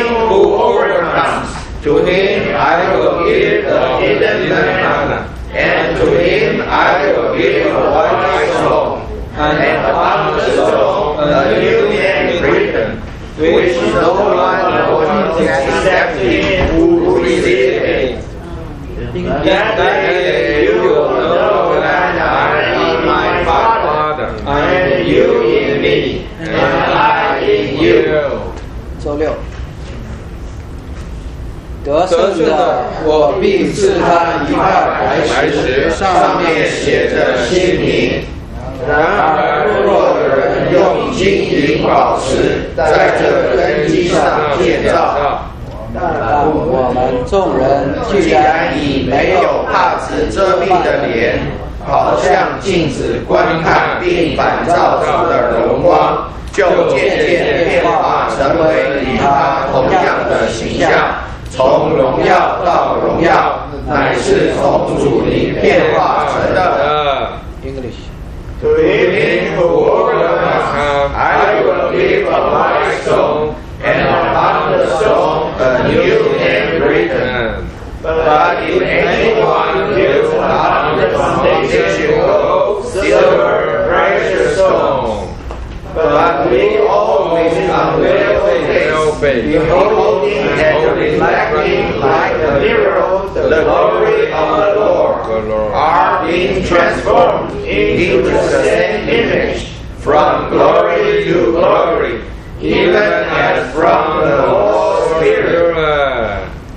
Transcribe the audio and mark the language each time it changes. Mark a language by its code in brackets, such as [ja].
[en] To him I will give the hidden manna, and to him I will give a white stone, and upon the stone a new name written, which no one knows except him who received it. In that day you will know that I am my Father, and you in me, and I in you. [zh] 周六得胜者，我必赐他一块白石，上面写着姓名。然而，若有人用金银宝石在这根基上建造，但我们众人既然以没有帕子遮蔽的脸，好像镜子观看并反照出的荣光，就渐渐变化成为与他同样的形象。从荣耀到荣耀，乃是从主灵变化成的。 [en] English. To him who overcomes, I will give a white stone, and upon the stone a new name written. But if anyone builds upon the foundation of silver, precious stone, but we always unveil the face, beholding and reflecting like a mirror the glory of the Lord, are being transformed into the same image from glory to glory, even as from the Holy Spirit.